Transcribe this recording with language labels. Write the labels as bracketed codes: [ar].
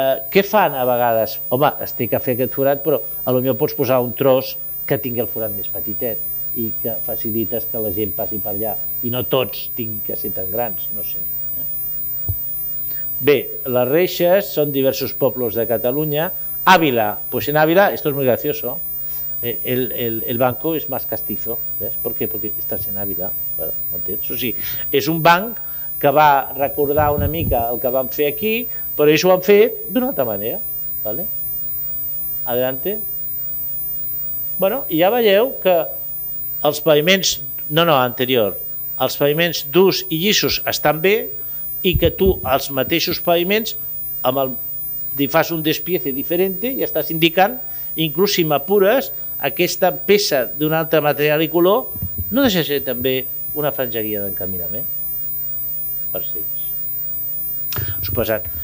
[ca] Què fan a vegades? Home, estic a fer aquest forat, però potser pots posar un tros que tingui el forat més petitet i que facilites que la gent passi per allà, i no tots tinguin que ser tan grans, no sé. Bé, les reixes són diversos pobles de Catalunya. [es] Ávila, pues en Ávila, esto es muy gracioso, el banco es más castizo, ¿ves? ¿Por qué? Porque estás en Ávila, ¿no entiendes? [ca] O sigui, és un banc que va recordar una mica el que van fer aquí, però ells ho han fet d'una altra manera, ¿vale? Adelante. Bueno, i ja veieu que els paviments, anterior, els paviments durs i llissos estan bé, i que tu els mateixos paviments amb el fas un despiece diferent i estàs indicant, inclús si m'apures, aquesta peça d'un altre material i color no deixa ser també una franja guia d'encaminament per ells. Suposat.